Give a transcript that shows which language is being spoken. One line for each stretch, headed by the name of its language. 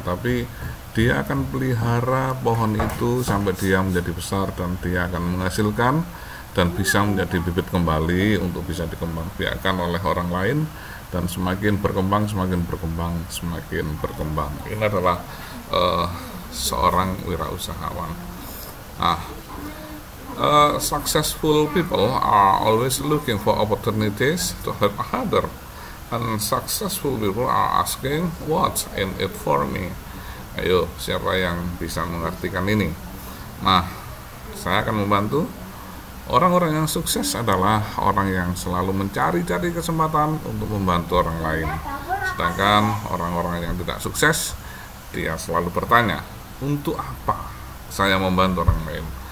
Indonesian: Tapi dia akan pelihara pohon itu sampai dia menjadi besar dan dia akan menghasilkan dan bisa menjadi bibit kembali untuk bisa dikembangbiakkan oleh orang lain. Dan semakin berkembang, semakin berkembang, semakin berkembang. Ini adalah seorang wirausahawan.
English: Nah, successful people are always looking for opportunities to help others, and successful people are asking what's in it for me.
Indonesian: Ayo, siapa yang bisa mengartikan ini? Nah, saya akan membantu. Orang-orang yang sukses adalah orang yang selalu mencari-cari kesempatan untuk membantu orang lain. Sedangkan orang-orang yang tidak sukses, dia selalu bertanya, untuk apa saya membantu orang lain?